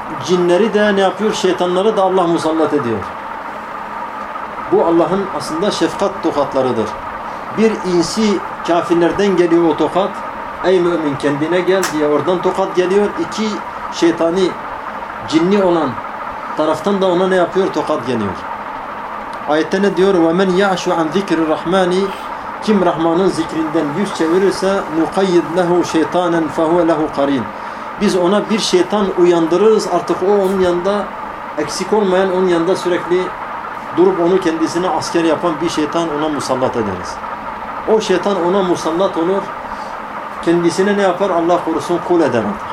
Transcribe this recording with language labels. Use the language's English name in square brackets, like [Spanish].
[Turkish] Cinleri de ne yapıyor? Şeytanları da Allah musallat ediyor. Bu Allah'ın aslında şefkat tokatlarıdır. Bir insi kafirlerden geliyor o tokat. Ey mümin kendine gel diye oradan tokat geliyor. İki şeytani cinni olan taraftan da ona ne yapıyor? Tokat geliyor. Ayette ne diyor? [Arabic] وَمَنْ يَعْشُ عَنْ ذِكْرِ الرَّحْمَانِ. [Turkish] Kim Rahman'ın zikrinden yüz çevirirse [Arabic] نُقَيِّدْ لَهُ شَيْطَانًا فَهُوَ لَهُ قَرِينَ. [Turkish] Biz ona bir şeytan uyandırırız, artık o onun yanında eksik olmayan, onun yanında sürekli durup onu kendisine asker yapan bir şeytan ona musallat ederiz. O şeytan ona musallat olur, kendisine ne yapar? Allah korusun kul eder.